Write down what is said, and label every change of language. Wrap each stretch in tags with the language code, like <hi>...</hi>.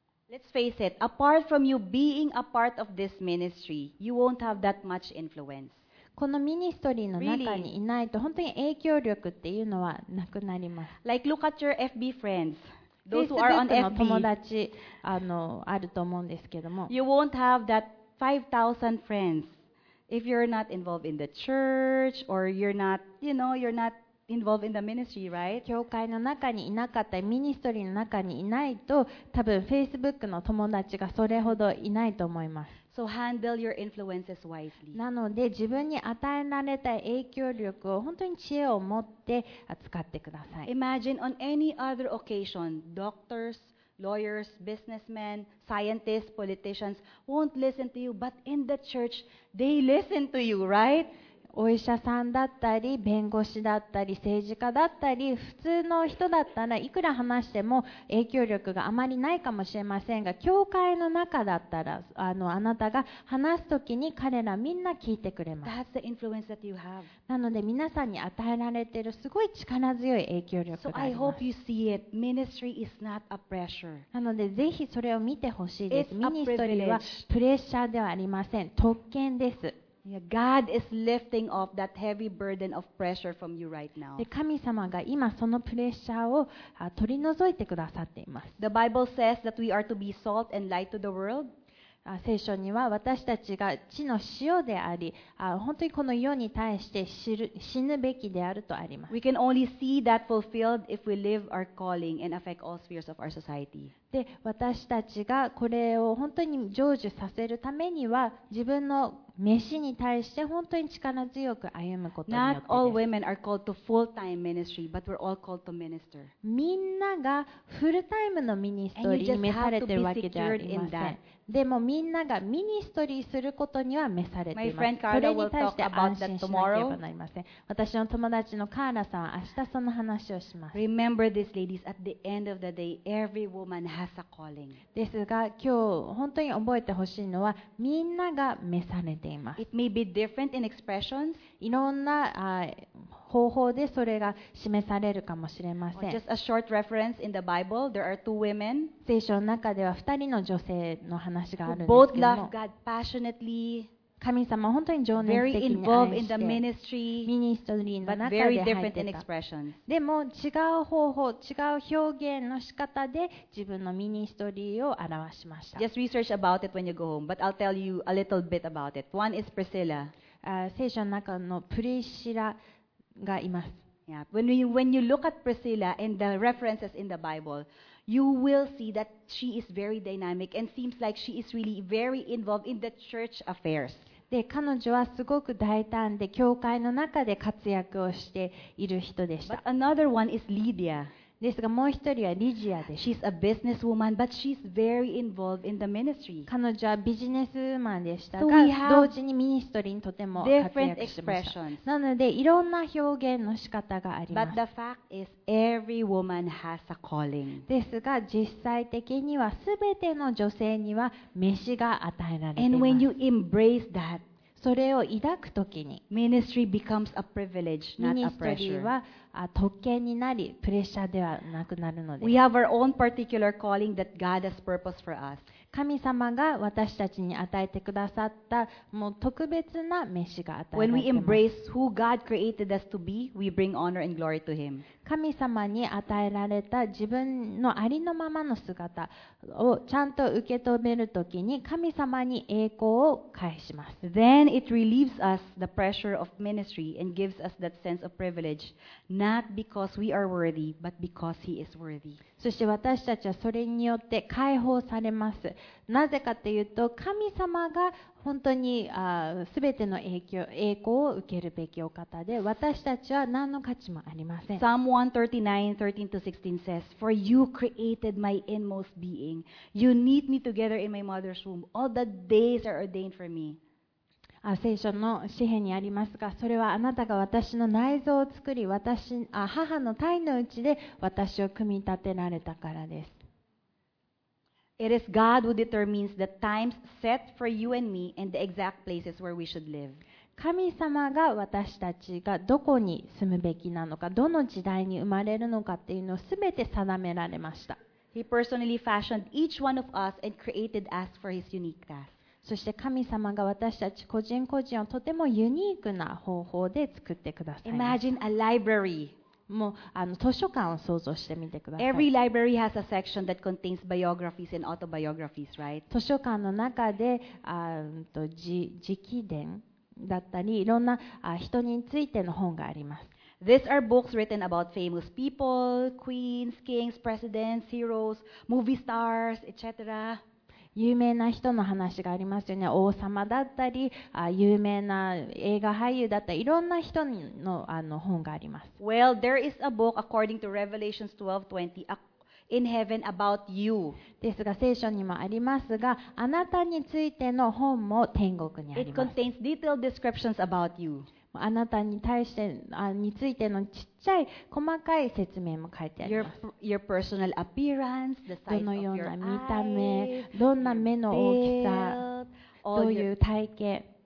<en>Let's face it, apart from you being a part of this ministry, you won't have that much influence.</en> <ja>このミニストリーの中にいないと、本当に影響力っていうのはなくなります。</ja> <en>Like, look at your FB friends. Those who are on FB.</en> <ja>Facebook の友達、あると思うんですけども。</ja> <en>You won't have that 5,000 friends if you're not involved in the church or you're not, you know, you're not involved in the ministry, right?</en> <ja>教会の中にいなかったり、ミニストリーの中にいないと、多分 Facebook の友達がそれほどいないと思います。</ja> <en>So handle your influences wisely.</en> <ja>なので、自分に与えられた影響力を本当に知恵を持って扱ってください。</ja> <en>Imagine on any other occasion, doctors, lawyers, businessmen, scientists, politicians won't listen to you, but in the church, they listen to you, right?</en> <ja>お医者さんだったり弁護士だったり政治家だったり普通の人だったらいくら話しても影響力があまりないかもしれませんが教会の中だったら あなたが話すときに彼らみんな聞いてくれます。</ja> <en>That's the influence that you have.</en> <ja>なので皆さんに与えられているすごい力強い影響力があります。</ja> <en>So I hope you see it. Ministry is not a pressure.</en> <ja>なのでぜひそれを見てほしいです。ミニストリーはプレッシャーではありません。特権です。</ja> <en>God is lifting off that heavy burden of pressure from you right now.</en> <ja>で、神様が今そのプレッシャーを取り除いてくださっています。</ja> <en>The Bible says that we are to be salt and light to the world.</en> <ja>聖書には私たちが地の塩であり、本当にこの世に対して死ぬべきであるとあります。</ja> <en>We can only see that fulfilled if we live our calling and affect all spheres of our society.</en> <ja>で、私たちがこれを本当に成就させるためには自分の召しに対して本当に力強く歩むことによってです。</ja> <en>Not all women are called to full-time ministry, but we're all called to minister.</en> <ja>みんながフルタイムのミニストリーに召されてるわけではありません。でもみんながミニストリーすることには召されています。これに対して安心しなければなりません。私の友達のカーラさんは明日その話をします。</ja> <en>Remember this, ladies, at the end of the day, every woman has a calling.</en> <ja>ですが今日本当に覚えてほしいのはみんなが召されています。</ja> <en>It may be different in expressions.</en> <ja>いろんな方法でそれが示されるかもしれません。</ja> <en>Just a short reference in the Bible, there are two women.</en> <ja>聖書の中では2人の女性の話があるんですけども、</ja> <en>Both love God passionately.</en> <ja>神様は本当に情熱的に愛して、ミニストリーの中で入ってた。でも違う方法、違う表現の仕方で自分のミニストリーを表しました。</ja> <en>Just research about it when you go home, but I'll tell you a little bit about it. One is Priscilla.</en> <ja>聖書の中のプリシラがいます。</ja> <en>Yeah. When you look at Priscilla and the references in the Bible,You will see that she is very dynamic and seems like she is really very involved in the church affairs.</en> <ja>で、彼女はすごく大胆で、教会の中で活躍をしている人でした。</ja> <en>But another one is Lydia.</en> <ja>ですがもう一人はリジアです。</ja> <en>She's a businesswoman, but she's very involved in the ministry.</en> <ja>彼女はビジネスウーマンでしたが、同時にミニストリーにとても活躍してました。なのでいろんな表現の仕方があります。</ja> <en>But the fact is, every woman has a calling.</en> <ja>ですが実際的にはすべての女性には召しが与えられています。</ja> <en>And when you embrace that,</en> <ja>それを抱くときに、</ja> <en>ministry becomes a privilege, not a pressure.</en> <ja>ミニストリーは特権になり、プレッシャーではなくなるのです。</ja> <en>We have our own particular calling that God has purposed for us.</en> <ja>神様が私たちに与えてくださったもう特別な召しが与えられています。</ja> <en>When we embrace who God created us to be, we bring honor and glory to Him.</en> <ja>神様に与えられた自分のありのままの姿をちゃんと受け止めるときに、神様に栄光を返します。</ja> <en>Then it relieves us the pressure of ministry and gives us that sense of privilege, not because we are worthy, but because He is worthy.</en> <ja>そして私たちはそれによって解放されます。なぜかというと、神様が本当にすべての栄光を受けるべきお方で、私たちは何の価値もありません。</ja> <en>Psalm 139:13-16 says, For you created my inmost being. You knit me together in my mother's womb. All the days are ordained for me.</en> <ja>聖書の詩編にありますが、それはあなたが私の内臓を作り、母の胎のうちで私を組み立てられたからです。</ja> <en>It is God who determines the times set for you and me and the exact places where we should live.</en> <ja>神様が私たちがどこに住むべきなのか、どの時代に生まれるのかっていうのをすべて定められました。</ja> <en>He personally fashioned each one of us and created us for His unique task.</en> <ja>そして神様が私たち個人個人をとてもユニークな方法で作ってくださいました。</ja> <en>Imagine a library.</en> <ja>もう図書館を想像してみてください。</ja> <en>Every library has a section that contains biographies and autobiographies, right?</en> <ja>図書館の中で直伝だったり、いろんな人についての本があります。</ja> <en>These are books written about famous people, queens, kings, presidents, heroes, movie stars, etc.</en> <ja>有名な人の話がありますよね。王様だったり、有名な映画俳優だったり、いろんな人 の, 本があります。</ja> <en>Well, there is a book according to Revelation 12:20 in heaven about you.</en> <ja>ですが、聖書にもありますが、あなたについての本も天国にあります。</ja> <en>It contains detailed descriptions about you.</en> <ja>あなたに対してについてのちっちゃい細かい説明も書いてあります。</ja> <en>Your personal appearance, the size</en> <ja>どのような見た目、どんな目の大きさ、どういう体型、</ja>